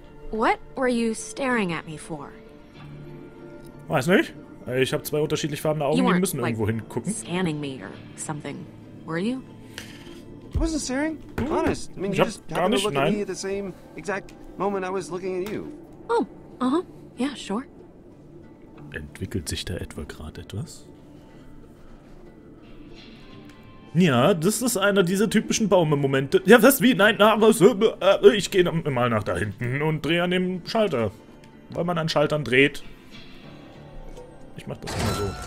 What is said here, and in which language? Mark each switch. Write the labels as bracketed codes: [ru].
[en] What were you staring at me for? [de] Weiß nicht. Ich habe zwei unterschiedlich farbene Augen, die müssen irgendwo hingucken. [en] Scanning me or something, were you? I wasn't staring. Honest. I mean, you just happened to look at me at the same exact moment I was looking at you. Oh, uh-huh. Yeah, sure. [de] Entwickelt sich da etwa gerade etwas? Ja, das ist einer dieser typischen Baume-Momente. Ja, was? Wie? Nein, na, was? Ich gehe mal nach da hinten und drehe an dem Schalter. Weil man an Schaltern dreht. Ich mach das immer so.